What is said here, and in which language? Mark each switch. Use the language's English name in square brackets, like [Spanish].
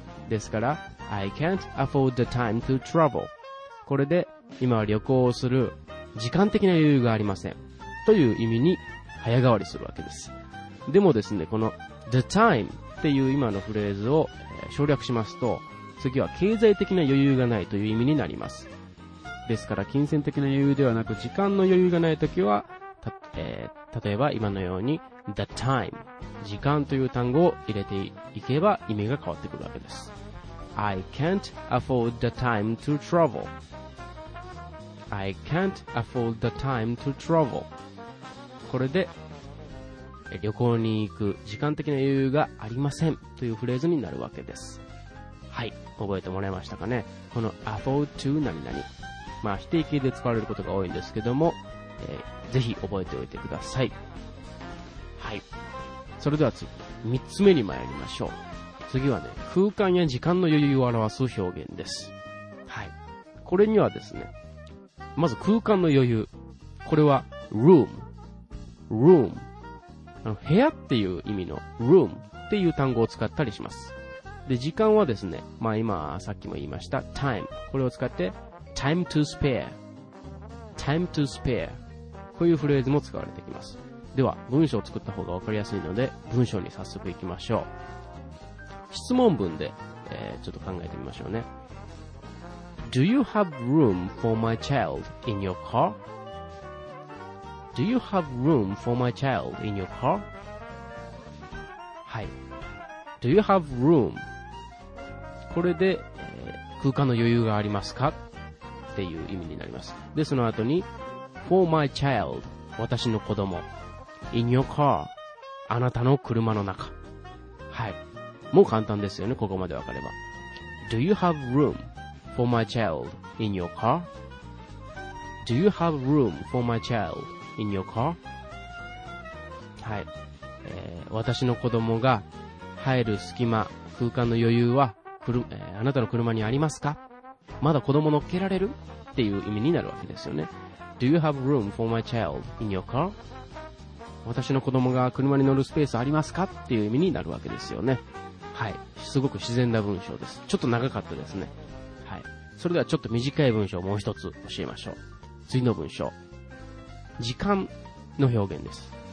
[Japanese] ですから [English] I can't afford the time to travel. [Japanese] これで今は旅行をする時間的な余裕がありませんという意味に早変わりするわけです。でもですね、この the time っていう今のフレーズを省略しますと、次は経済的な余裕がないという意味になります。ですから金銭的な余裕ではなく時間の余裕がないときは、例えば今のように the time 時間という単語を入れていけば意味が変わってくるわけです。 [English] I can't afford the time to travelI can't afford the time to travel. [Japanese] これで旅行に行く時間的な余裕がありませんというフレーズになるわけです。はい、覚えてもらえましたかね。この afford to 何々、まあ否定形で使われることが多いんですけども、ぜひ覚えておいてください。はい、それでは次3つ目に参りましょう。次はね、空間や時間の余裕を表す表現です。はい、これにはですね、まず空間の余裕、これは room、 room、 部屋っていう意味の room っていう単語を使ったりします。で、時間はですね、まあ今さっきも言いました time、 これを使って time to spare、 time to spare、 こういうフレーズも使われてきます。では文章を作った方がわかりやすいので文章に早速いきましょう。質問文で、ちょっと考えてみましょうね。 [English] Do you have room for my child in your car? Do you have room for my child in your car? [Japanese] はい。 [English] Do you have room? [Japanese] これで、空間の余裕がありますか?っていう意味になります。で、その後に、 [English] for my child, [Japanese] 私の子供、 [English] in your car, [Japanese] あなたの車の中。はい。もう簡単ですよね、ここまでわかれば。 [English] Do you have room for my child in your car? Do you have room for my child in your car? [Japanese] はい。私の子供が入る隙間、空間の余裕は、あなたの車にありますか? まだ子供乗っけられる?っていう意味になるわけですよね。 [English] Do you have room for my child in your car? [Japanese] 私の子供が車に乗るスペースありますか?っていう意味になるわけですよね。はい。すごく自然な文章です。ちょっと長かったですね。はい。それではちょっと短い文章をもう一つ教えましょう。次の文章。時間の表現です。